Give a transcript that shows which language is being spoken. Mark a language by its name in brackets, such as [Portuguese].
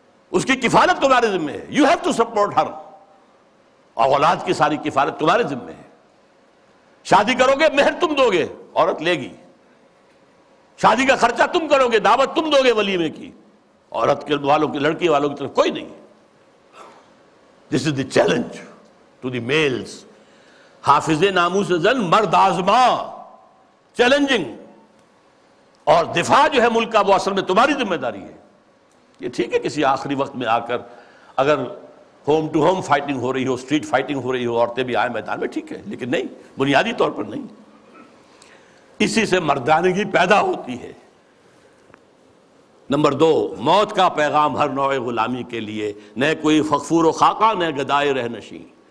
[Urdu] اس کی کفالت تمہارے ذمہ ہے، [English] You have to support her. [Urdu] اور اولاد کی ساری کفالت تمہارے ذمہ ہے. شادی کرو گے، مہر تم دو گے، عورت لے گی. شادی کا خرچہ تم کرو گے، دعوت تم دو گے ولیمے کی، عورت کے والوں کی، لڑکی والوں کی طرف کوئی نہیں. [English] This is the challenge to the males. [Persian] حافظ ناموس زن مرد آزما، چیلنجنگ. [Urdu] اور دفاع جو ہے ملک کا، وہ اصل میں تمہاری ذمہ داری ہے. یہ ٹھیک ہے کسی آخری وقت میں آ کر اگر ہوم ٹو ہوم فائٹنگ ہو رہی ہو، اسٹریٹ فائٹنگ ہو رہی ہو، عورتیں بھی آئیں میدان میں، ٹھیک ہے، لیکن نہیں، بنیادی طور پر نہیں. اسی سے مردانگی پیدا ہوتی ہے. نمبر دو، موت کا پیغام ہر نوع غلامی کے لیے، نہ کوئی فخفور و خاقہ نہ گدائے رہنشین.